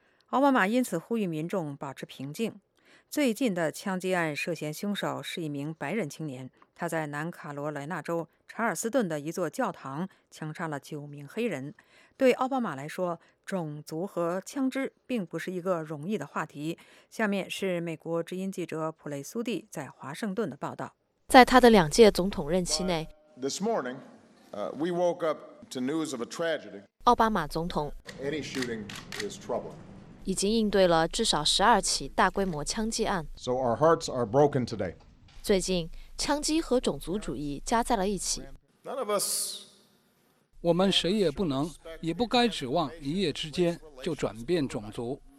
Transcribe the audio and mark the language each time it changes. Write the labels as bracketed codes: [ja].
[zh] 奥巴马因此呼吁民众保持平静。最近的枪击案涉嫌凶手是一名白人青年，他在南卡罗来纳州查尔斯顿的一座教堂枪杀了9名黑人。对奥巴马来说，种族和枪支并不是一个容易的话题。下面是美国之音记者普雷苏蒂在华盛顿的报道。在他的两届总统任期内， [en] This morning, we woke up to news of a tragedy. [zh] 奥巴马总统 [en] Any shooting is troubling. [zh] 已经应对了至少12起大规模枪击案。 [en] So our hearts are broken today. [zh] 最近，枪击和种族主义加在了一起。 [en] None of us. [zh] 我们谁也不能，也不该指望一夜之间就转变种族。